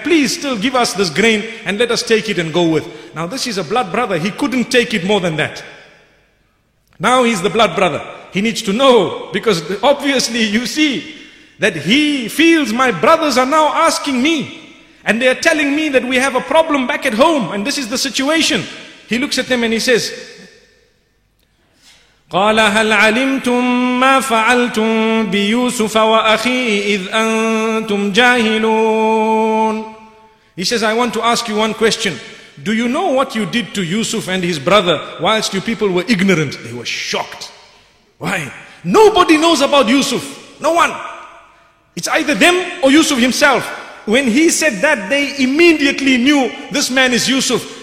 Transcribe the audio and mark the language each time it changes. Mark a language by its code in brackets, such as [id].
[en] Please still give us this grain and let us take it and go with. Now this is a blood brother. He couldn't take it more than that. Now he's the blood brother. He needs to know, because obviously you see that he feels my brothers are now asking me. And they are telling me that we have a problem back at home and this is the situation. He looks at them and he says, [ar] قَالَ هَلْ عَلِمْتُمْ مَا فَعَلْتُمْ بِيُوسُفَ وَأَخِيهِ إِذْ أَنْتُمْ جَاهِلُونَ. [en] He says, I want to ask you one question. Do you know what you did to Yusuf and his brother whilst you people were ignorant? They were shocked. Why? Nobody knows about Yusuf. No one. It's either them or Yusuf himself. When he said that, they immediately knew this man is Yusuf.